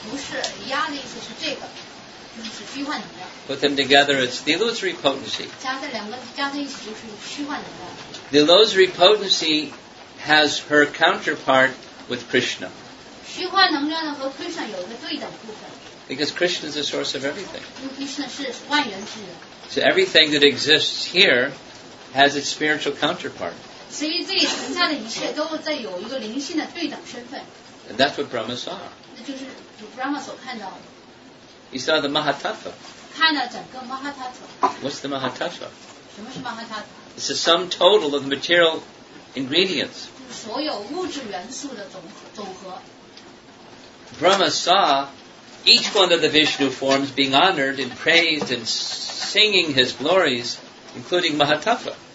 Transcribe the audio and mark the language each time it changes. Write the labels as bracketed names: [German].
[Chinese] 不是 ,Ya 的意思是这个。是虚幻能量。 [English] Put them together, it's the illusory potency. [Chinese] 加在一起就是虚幻能量。 [English] The illusory potency has her counterpart with Krishna. [Chinese] 虚幻能量呢和 Krishna 有一个对等部分。 [English] Because Krishna is the source of everything. [Chinese] 因为 Krishna 是万源之源。 [English] So everything that exists here has its spiritual counterpart. [Chinese] 所以这里存在的一切都在有一个灵性的对等身份。 [English] And that's what Brahma saw. [Chinese] 那就是 Brahma 所看到的。 [English] He saw the Mahatattva. [Chinese] 看了整个 Mahatattva. [English] What's the Mahatattva? [Chinese] 什么是 Mahatattva? [English] It's the sum total of the material ingredients. [Chinese] 就是所有物质元素的总和。 [English] Brahma saw each one of the Vishnu forms being honored and praised and singing his glories, including Mahatattva.